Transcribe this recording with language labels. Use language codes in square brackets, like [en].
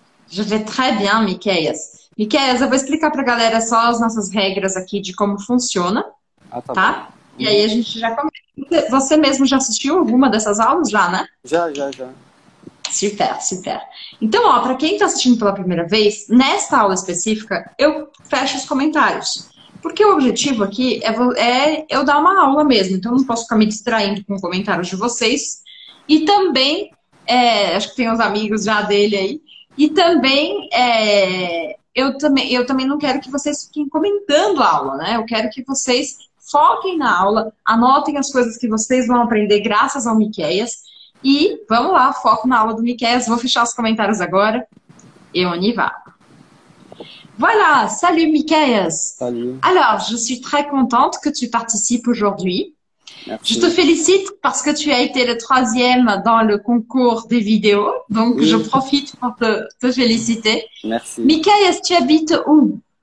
[fr] Je vais très bien, Miqueias. [pt] Miqueias, eu vou explicar para a galera só as nossas regras aqui de como funciona, Ah, tá bom. tá? E aí a gente já começa. Você mesmo já assistiu alguma dessas aulas já, né? Já. Super, super. Então, ó, para quem está assistindo pela primeira vez, nesta aula específica, eu fecho os comentários. Porque o objetivo aqui é eu dar uma aula mesmo, então não posso ficar me distraindo com comentários de vocês. E também, acho que tem uns amigos já dele aí. E também, eu também não quero que vocês fiquem comentando a aula, né? Eu quero que vocês foquem na aula, anotem as coisas que vocês vão aprender graças ao Miqueias. E vamos lá, foco na aula do Miqueias. Vou fechar os comentários agora. [fr] Et on y va. Voilà, salut Miqueias. Salut. Alors, je suis très contente que tu participes aujourd'hui. Je te Merci. félicite parce que tu as été le troisième dans le concours des vidéos. Donc, je Oui. profite pour te féliciter. Merci. Miqueias, tu habites où?